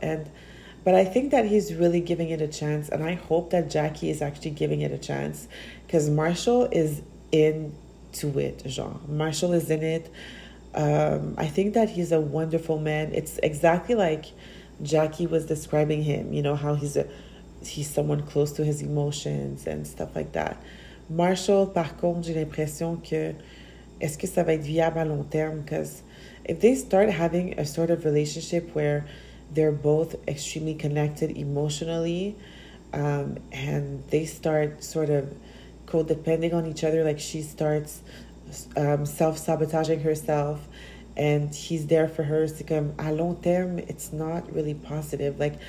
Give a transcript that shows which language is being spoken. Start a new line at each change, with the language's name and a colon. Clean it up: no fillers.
English: And, but I think that he's really giving it a chance, and I hope that Jackie is actually giving it a chance, because Marshall is into it, Jean. Marshall is in it. I think that he's a wonderful man. It's exactly like Jackie was describing him. You know how he's someone close to his emotions and stuff like that.
French: Marshall, par contre, j'ai l'impression que est-ce que ça va être viable à long terme?
English: Because if they start having a sort of relationship where they're both extremely connected emotionally, and they start sort of co-depending on each other, like she starts self-sabotaging herself and he's there for her,
French: c'est comme à long terme,
English: it's not really positive.